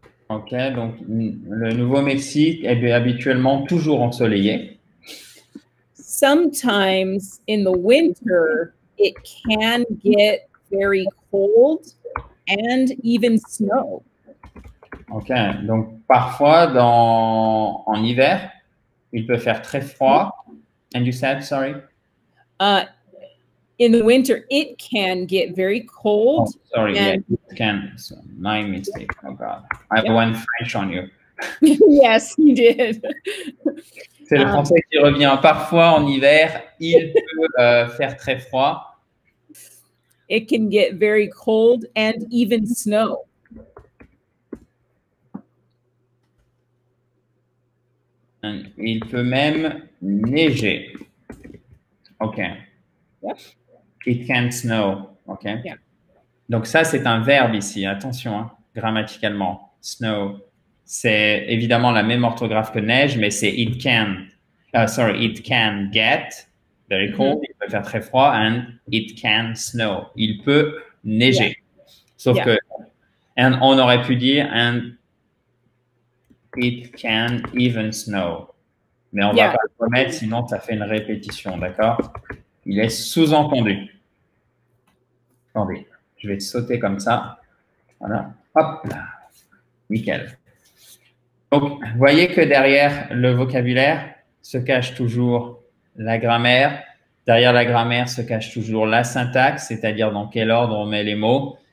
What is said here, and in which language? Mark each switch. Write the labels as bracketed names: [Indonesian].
[French] Okay, donc le Nouveau-Mexique est habituellement toujours ensoleillé. [English] Sometimes in the winter, it can get very cold and even snow. [French] OK, donc parfois en hiver, il peut faire très froid. [English] And you said, sorry? In the winter, it can get very cold. Oh, sorry, and yeah, it can. So my mistake, oh God. I went French on you. Yes, you did. [French] C'est le français qui revient. Parfois en hiver, il peut faire très froid. [English] It can get very cold and even snow. [French] And il peut même neiger. Okay. [English] Yep. It can snow. Okay. Yeah. [French] Donc ça, c'est un verbe ici. Attention, hein, grammaticalement. Snow. C'est évidemment la même orthographe que neige, mais c'est [English] it can. Sorry, it can get. Very cold, mm-hmm. [French] Il peut faire très froid, [English] and it can snow. [French] Il peut neiger. Yeah. Sauf que, and on aurait pu dire, [English] and it can even snow. [French] Mais on va pas le remettre, sinon ça fait une répétition, d'accord? Il est sous-entendu. Attendez, je vais sauter comme ça. Voilà, hop là, nickel. Donc, vous voyez que derrière le vocabulaire se cache toujours la grammaire, derrière la grammaire se cache toujours la syntaxe, c'est-à-dire dans quel ordre on met les mots.